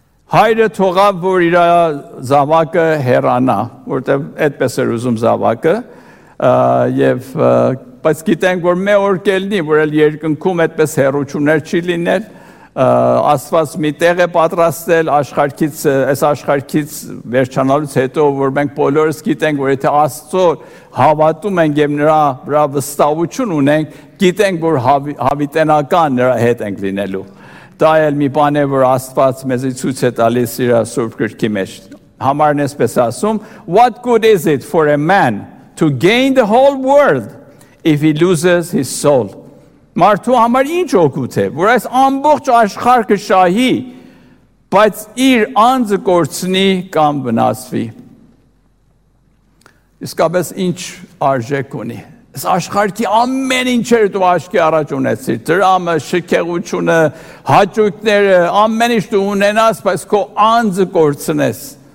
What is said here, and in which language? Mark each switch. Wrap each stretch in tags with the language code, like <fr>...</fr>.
<hy>Հայրը թողավ, որ իր զավակը հեռանա, որտեղ այդպես էր ուզում զավակը, եւ բայց գիտենք, որ մի օր կելնի, որ այլ երկնքում այդպես հեռություններ չի լինել։ Աստված մի տեղ է պատրաստել աշխարհից, այս աշխարհից վերջանալուց հետո, որ մենք բոլորս գիտենք, որ եթե Աստծո հավատում ենք եւ նրա վրա վստահություն ունենք, գիտենք, որ հավիտենական նրա հետ ենք լինելու։ Դա էլ մի բան է, որ Աստված մեզի ցույց է տալիս իր Սուրբ Գրքի մեջ։ Համարն էսպես ասում.</hy> <en>What good is it for a man to gain the whole world if he loses his soul?</en> <hy>Մարդու համար ինչ օգուտ է, որ այս ամբողջ աշխարհը շահի, բայց իր անձը կորցնի կամ վնասվի։ Իսկապես ինչ արժեք ունի։ Այս աշխարհի ամեն ինչեր դու աչքի առաջ ունեցիր, դրամը, շքեղությունը, հաճույքները, ամեն ինչ դու ունենաս, բայց քո անձը կորցնես։</hy>